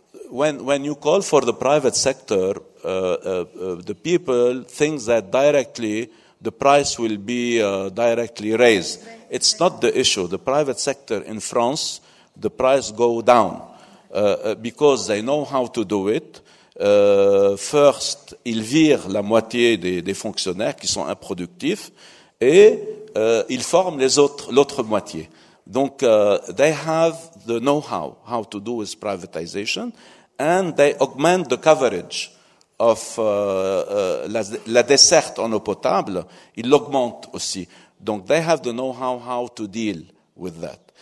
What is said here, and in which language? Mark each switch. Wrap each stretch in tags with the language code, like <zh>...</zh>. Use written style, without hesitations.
<en>When you call for the private sector, the people think that directly the price will be directly raised. It's not the issue. The private sector in France, the price go down because they know how to do it.</en> <fr>First, ils virent la moitié des fonctionnaires qui sont improductifs et ils forment les autres, l'autre moitié.</fr> <en>Donc, they have the know-how how to do this privatization, and they augment the coverage of</en> <fr>la desserte en eau potable. Ils l'augmentent aussi. Donc,</fr> <en>they have the know-how how to deal with that.</en>